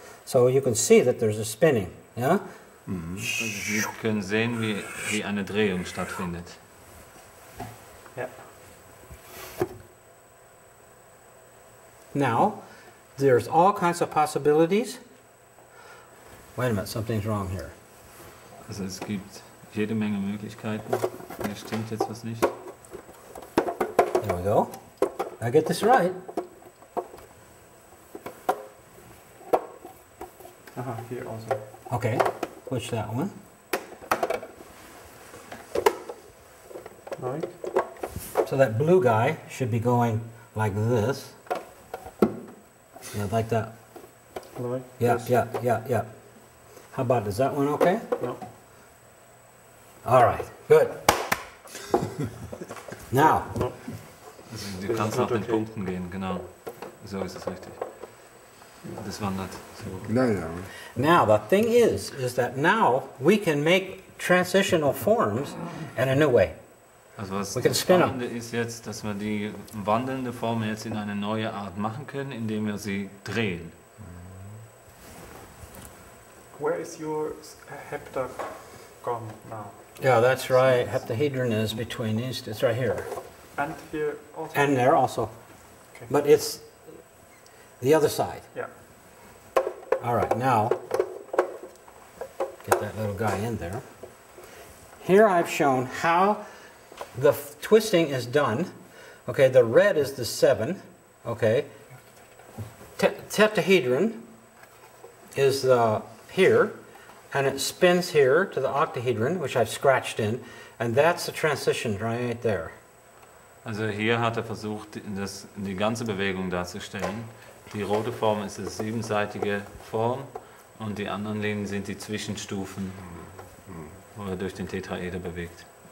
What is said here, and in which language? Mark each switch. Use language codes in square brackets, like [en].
[en] So you can see that there's a spinning, yeah? Mm-hmm. [de] Also, Sie können sehen, wie eine Drehung stattfindet. [en] Yeah. Now, there's all kinds of possibilities. Wait a minute, something's wrong here. [de] Also es gibt jede Menge Möglichkeiten. Hier stimmt jetzt was nicht. [en] There we go. I get this right. Aha, here also. Okay, push that one. Right. So that blue guy should be going like this. Yeah, like that. Right. Yeah, yes. Yeah. How about, is that one okay? No. All right, good. Now. [de] Also, du kannst nach den Punkten gehen, genau. So ist es richtig. Das wandert so. Naja. [en] Now, the thing is that now we can make transitional forms in a new way. [de] Also was das Spannende ist jetzt, dass wir die wandelnde Form jetzt in eine neue Art machen können, indem wir sie drehen. [en] Where is your heptagon now? Yeah, that's right. Heptahedron is between these. It's right here. And here also. And there also. Okay. But it's the other side. Yeah. All right, now get that little guy in there. Here I've shown how the twisting is done. Okay, the red is the seven. Okay. Heptahedron is the here, and it spins here to the octahedron, which I've scratched in, and that's the transition right there. [de] Also hier hat versucht, die ganze Bewegung darzustellen. Die rote Form ist die siebenseitige Form, und die anderen Linien sind die Zwischenstufen, wo er durch den Tetraeder bewegt.